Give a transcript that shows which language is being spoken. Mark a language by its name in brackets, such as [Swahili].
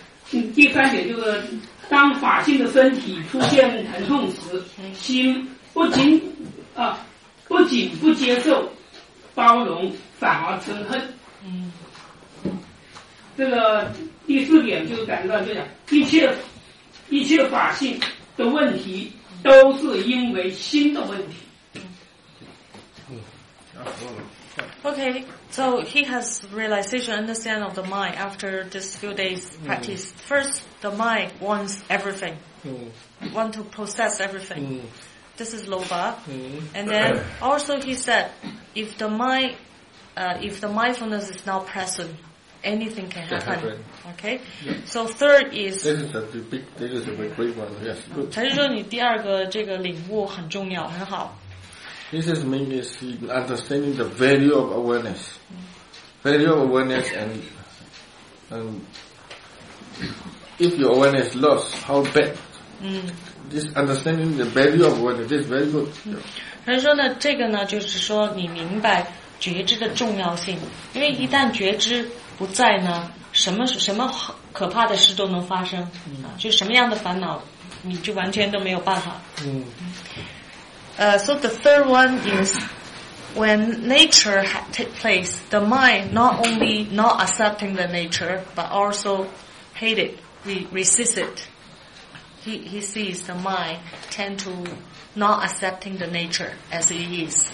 [Chinese] 第三点就是当法性的身体出现疼痛时，心不仅不接受包容，反而嗔恨。这个第四点就是感觉到这样，一切法性的问题都是因为心的问题。 [English] OK, so he has realization, understand of the mind after this few days practice. First, the mind wants everything, want to possess everything. This is lobha. And then also he said, if the mindfulness is not present, anything can happen. Okay. So third is. This is a big, this is a big one. Yes. [Chinese] 才是说你第二个这个领悟很重要，很好。 [English] This is mainly understanding the value of awareness. Value of awareness and if your awareness is lost, how bad? This understanding the value of awareness is very good. [Chinese] 他说呢，这个呢，就是说你明白觉知的重要性，因为一旦觉知不在呢，什么可怕的事都能发生，就什么样的烦恼，你就完全都没有办法。 [English] So the third one is when nature take place, the mind not only not accepting the nature, but also hate it, resist it. He sees the mind tend to not accepting the nature as it is.